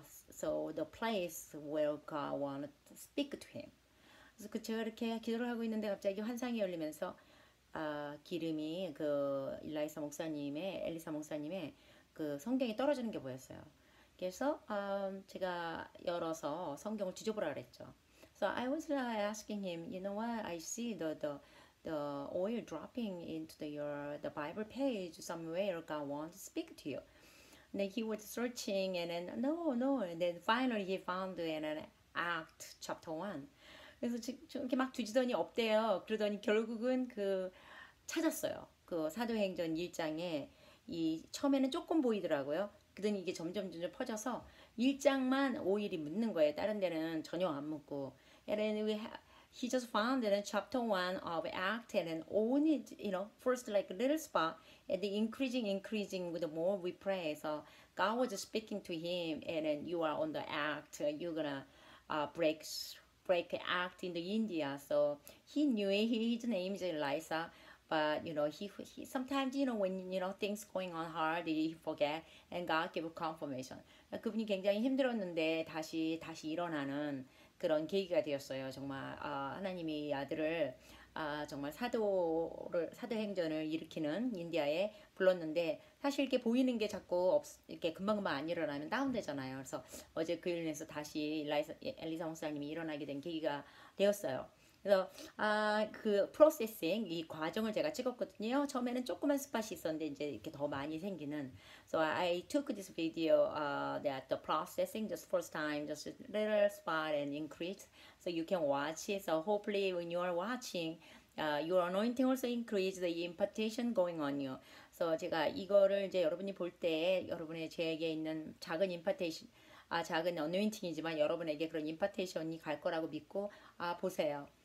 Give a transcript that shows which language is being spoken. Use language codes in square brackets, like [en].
[en] So the place where God wanted to speak to him. [ko] 그래서 제가 이렇게 기도를 하고 있는데 갑자기 환상이 열리면서 기름이 그 엘리사 목사님의 그 성경이 떨어지는 게 보였어요. 그래서 제가 열어서 성경을 뒤져보라 그랬죠. [en] So I was asking him, you know what? I see the oil dropping into the Bible page somewhere God wants to speak to you. And then he was searching and then no. And then finally he found an Act chapter 1. [ko] 그래서 이렇게 막 뒤지더니 없대요. 그러더니 결국은 찾았어요. 그 사도행전 1장에 이 처음에는 조금 보이더라고요. 그러더니 이게 점점 퍼져서 1장만 오일이 묻는 거예요. 다른 데는 전혀 안 묻고. [en] And then he just found that in chapter 1 of Act and then only, first like a little spot and increasing with the more we pray. So God was speaking to him and then you are on the act. You're gonna break act in the India. So he knew his name is Elisa, but he sometimes when things going on hard, he forget and God give a confirmation. [ko] 그분이 굉장히 힘들었는데 다시 일어나는 그런 계기가 되었어요. 정말 하나님이 아들을 정말 사도행전을 일으키는 인디아에 불렀는데 사실 이렇게 보이는 게 자꾸 이렇게 금방금방 안 일어나면 다운되잖아요. 그래서 어제 그 일에서 다시 엘리사 목사님이 일어나게 된 계기가 되었어요. 그래서 그 프로세싱 이 과정을 제가 찍었거든요. 처음에는 조그만 스팟이 있었는데 이제 이렇게 더 많이 생기는. [en] So I took this video that the processing just first time, just a little spot and increase. So you can watch it. So hopefully when you are watching, your anointing also increase the impartation going on you. [ko] So 제가 이거를 이제 여러분이 볼때 여러분의 제게 있는 작은 impartation, 작은 anointing이지만 여러분에게 그런 impartation이 갈 거라고 믿고 보세요.